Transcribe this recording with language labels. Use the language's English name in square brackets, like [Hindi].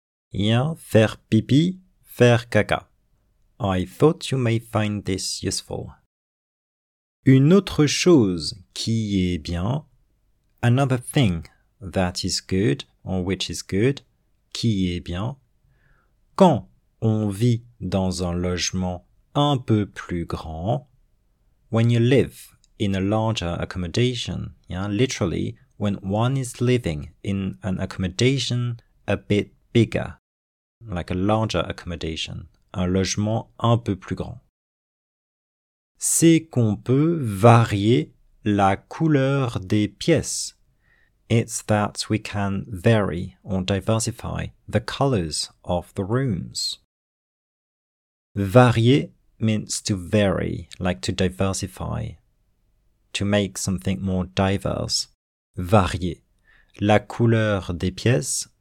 [French] Yeah, faire pipi, faire caca. [English] I thought you may find this useful. [French] Une autre chose qui est bien. [English] Another thing that is good, or which is good, [French] qui est bien. Quand on vit dans un logement un peu plus grand. [English] When you live in a larger accommodation, yeah, literally, when one is living in an accommodation a bit bigger, like a larger accommodation, [French] un logement un peu plus grand. c'est qu'on peut varier la couleur des pièces. [English] It's that we can vary or diversify the colors of the rooms. Varier means to vary, like to diversify, to make something more diverse. [French] Varier. La couleur des pièces,